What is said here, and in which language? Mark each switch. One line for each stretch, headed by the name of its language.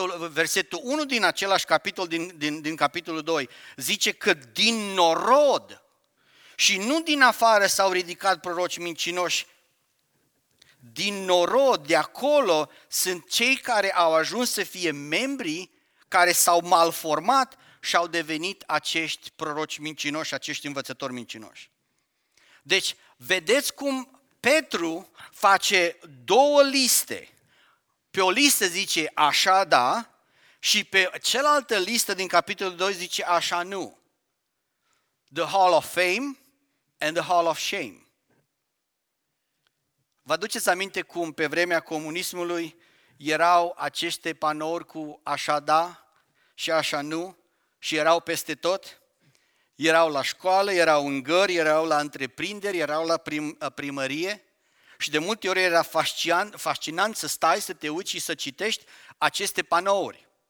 Romanian: Versetul 1 din același capitol, din capitolul 2, zice că din norod și nu din afară s-au ridicat proroci mincinoși, din norod, de acolo, sunt cei care au ajuns să fie membrii care s-au malformat și au devenit acești proroci mincinoși, acești învățători mincinoși. Deci, vedeți cum Petru face două liste. Pe o listă zice așa da și pe cealaltă listă din capitolul 2 zice așa nu.
English: The Hall of Fame and the Hall of Shame.
Romanian: Vă aduceți aminte cum pe vremea comunismului erau aceste panouri cu așa da și așa nu și erau peste tot? Erau la școală, erau în gări, erau la întreprinderi, erau la primărie și de multe ori era fascinant să stai, să te uiți și să citești aceste panouri.